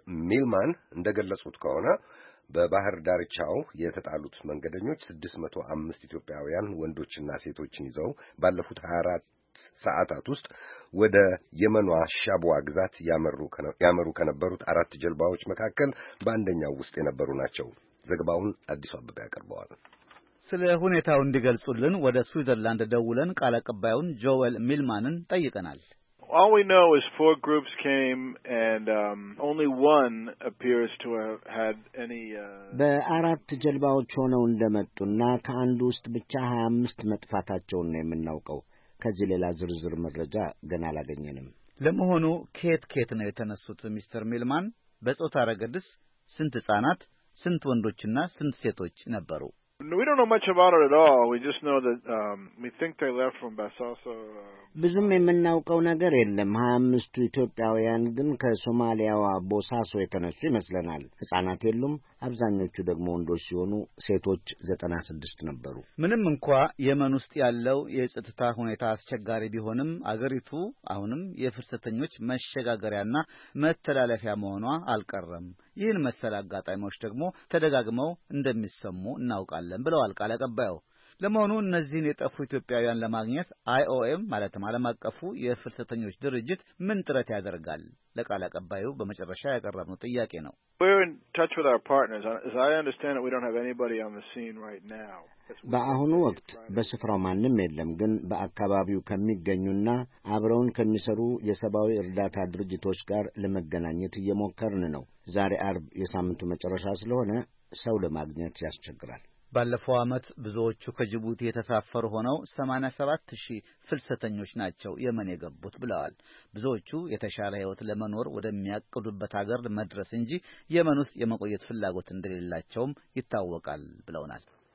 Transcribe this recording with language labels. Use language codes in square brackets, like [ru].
[am] ሚልማን እንደገለጹት ከሆነ በባህር ዳርቻው የተጣሉት መንገደኞች 605 ኢትዮጵያውያን ወንዶችና ሴቶችን ይዘው ባለፉት 24 ሰዓታት ውስጥ ወደ የመኗ ሻቧ ግዛት ያመሩ ከነበሩት አራት ጀልባዎች መካከል በአንደኛው ውስጥ የነበሩ ናቸው። ዘገባውን አዲሱ አበበ ያቀርበዋል። ስለ ሁኔታው እንዲገልጹልን ወደ ስዊዘርላንድ ደውለን ቃል አቀባዩን ጆኤል ሚልማንን ጠይቀናል። [en] All we know is four groups came and only one appears to have had any [am] በአራት ጀልባዎች ሆነው እንደመጡና ከአንዱ ውስጥ ብቻ 25 መጥፋታቸውን ነው የምናውቀው። ከዚህ ሌላ ዝርዝር መረጃ ገና አላገኘንም። ለመሆኑ ኬት ነው የተነሱት? ሚስተር ሚልማን በጾታ ረገድስ ስንት ህጻናት፣ ስንት ወንዶችና ስንት ሴቶች ነበሩ? [en] We don't know much about it at all. We just know that we think they left from Basasa. [am] ብዙም የምናውቀው ነገር የለም። 25ቱ ኢትዮጵያውያን ግን ከሶማሊያዋ ቦሳሶ የተነሱ ይመስለናል። ህጻናት የሉም። አብዛኞቹ ደግሞ ወንዶች ሲሆኑ ሴቶች 96 ነበሩ። ምንም እንኳ የመን ውስጥ ያለው የጸጥታ ሁኔታ አስቸጋሪ ቢሆንም አገሪቱ አሁንም የፍልሰተኞች መሸጋገሪያና መተላለፊያ መሆኗ አልቀረም። ይህን መሰል አጋጣሚዎች ደግሞ ተደጋግመው እንደሚሰሙ እናውቃለን ብለዋል ቃል አቀባዩ። ለመሆኑ እነዚህን የጠፉ ኢትዮጵያውያን ለማግኘት አይኦኤም ማለትም ዓለም አቀፉ የፍልሰተኞች ድርጅት ምን ጥረት ያደርጋል? ለቃል አቀባዩ በመጨረሻ ያቀረብነው ጥያቄ ነው። [en] We're in touch with our partners. As I understand it, we don't have anybody on the scene right now. [am] በአሁኑ ወቅት በስፍራው ማንም የለም፣ ግን በአካባቢው ከሚገኙና አብረውን ከሚሰሩ የሰብአዊ እርዳታ ድርጅቶች ጋር ለመገናኘት እየሞከርን ነው። ዛሬ አርብ የሳምንቱ መጨረሻ ስለሆነ ሰው ለማግኘት ያስቸግራል። ባለፈው ዓመት ብዙዎቹ ከጅቡቲ የተሳፈሩ ሆነው 87,000 ፍልሰተኞች ናቸው የመን የገቡት ብለዋል። ብዙዎቹ የተሻለ ህይወት ለመኖር ወደሚያቅዱበት አገር መድረስ እንጂ የመን ውስጥ የመቆየት ፍላጎት እንደሌላቸውም ይታወቃል ብለውናል።